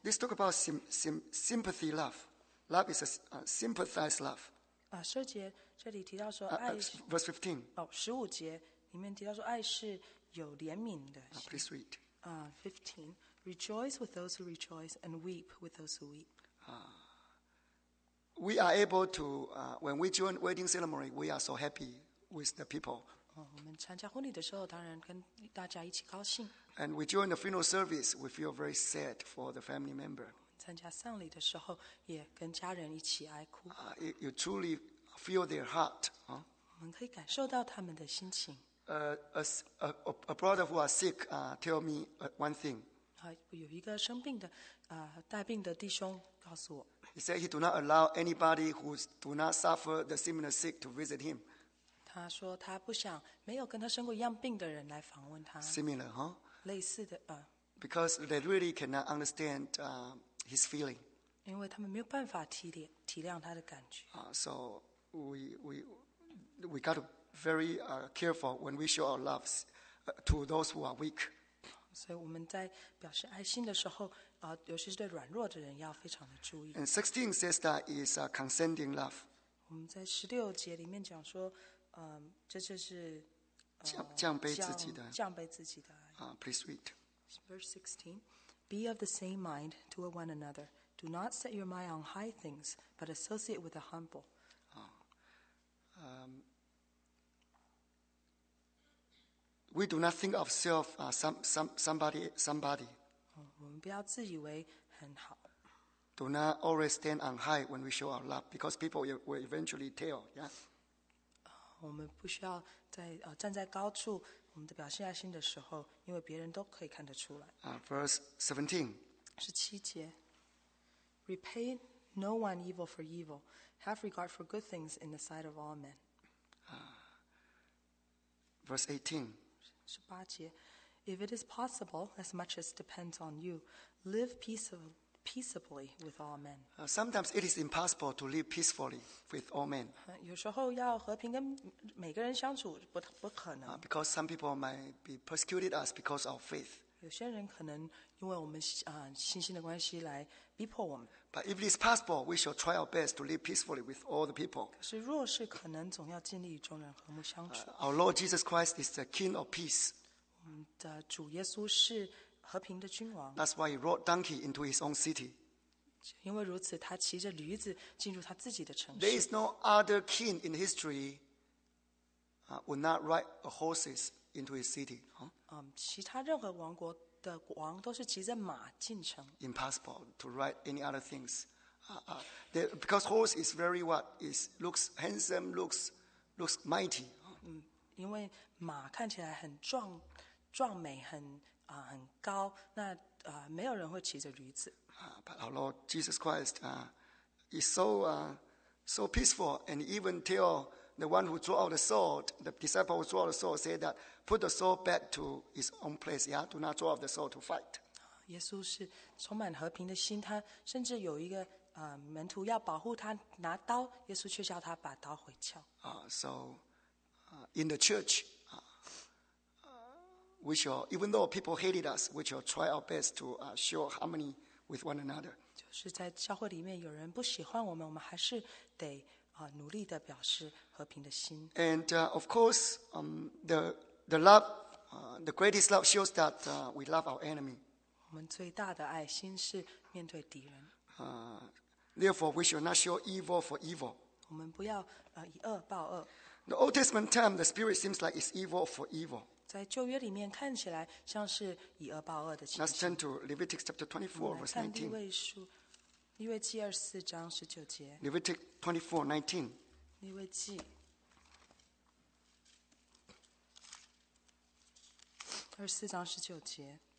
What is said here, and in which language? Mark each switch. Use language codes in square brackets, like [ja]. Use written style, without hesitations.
[en] This talk about sympathy love Love is a sympathized love [zh] 12节 这里提到说 [en] verse 15 [zh] 15节 里面提到说爱是有怜悯的 [en] Please read 15 Rejoice with those who rejoice and weep with those who weep We are able to when we join wedding ceremony we are so happy with the people [zh] 我们参加婚礼的时候 当然跟大家一起高兴 [en] And we join the funeral service we feel very sad for the family member [zh] 参加丧礼的时候 也跟家人一起哀哭 [en] You truly feel their heart [zh] 我们可以感受到他们的心情 [en] A brother who are sick tell me one thing. [zh] 有一个生病的 带病的弟兄告诉我 [en] He said he do not allow anybody who do not suffer the similar sick to visit him. [zh] 他说他不想没有跟他生过一样病的人来访问他 [en] Similar, huh? [zh] 类似的 [en] Because they really cannot understand his feeling. [zh] 因为他们没有办法体谅他的感觉 [en] So we got to very careful when we show our loves to those who are weak. [zh] 所以我们在表示爱心的时候, 尤其是对软弱的人要非常的注意。 [en] And 16 says that is a consenting love. [zh] 我们在16节里面讲说, 这就是, 降卑自己的, 降卑自己的爱。 [en] Please read. Verse 16, Be of the same mind toward one another. Do not set your mind on high things, but associate with the humble. We do not think of self somebody. [zh] 我们不要自以为很好。 [en] Do not always stand on high when we show our love, because people will eventually tell. Yeah? [zh] 我们不需要在, 站在高处, 我们的表现爱心的时候, 因为别人都可以看得出来。 [en] Verse 17. [zh] 17节, [en] Repay no one evil for evil. Have regard for good things in the sight of all men. Verse 18. [zh] 18节, [en] if it is possible, as much as depends on you, live peaceably with all men. Sometimes it is impossible to live peacefully with all men. [zh] 有时候要和平跟每个人相处不可能。 [en] Because some people might be persecuted us because of faith. [zh] 有些人可能因为我们, 信心的关系来逼迫我们。 [en] But if it is possible, we shall try our best to live peacefully with all the people. [zh] 可是若是可能总要尽力与众人和睦相处。 [en] Our Lord Jesus Christ is the King of Peace. [zh] 我们的主耶稣是和平的君王。 [en] That's why he rode donkey into his own city. [zh] 因为如此他骑着驴子进入他自己的城市。 [en] There is no other king in history would not ride a horse into his city. Huh? [zh] 其他任何王国 的王都是骑着马进城 [en] Impossible to ride any other things because horse is very what is looks handsome looks mighty [zh] 因为马看起来很壮美很高 那没有人会骑着驴子 [en] But our Lord Jesus Christ is so peaceful and even till the one who drew out the sword, the disciple who drew out the sword said that put the sword back to his own place, yeah? Do not draw out the sword to fight. [zh] 耶稣是充满和平的心, 他甚至有一个, 门徒要保护他, 拿刀, 耶稣却叫他把刀回鞘。 [en] In the church, we shall, even though people hated us, we shall try our best to show harmony with one another. [zh] 就是在教会里面, 有人不喜欢我们, 我们还是得 努力地表示和平的心 [en] And of course the love the greatest love shows that we love our enemy [zh] 我们最大的爱心是面对敌人 [en] Therefore we shall not show evil for evil [zh] 我们不要 以恶报恶 [en] The Old Testament time the spirit seems like it's evil for evil [zh] 在旧约里面看起来像是以恶报恶的情形 [en] Let's turn to Leviticus chapter 24 verse 19 [zh] 我们来看立位书利未记二十四章十九节。 [en] Leviticus 24:19。 [zh] 利未记二十四章十九节。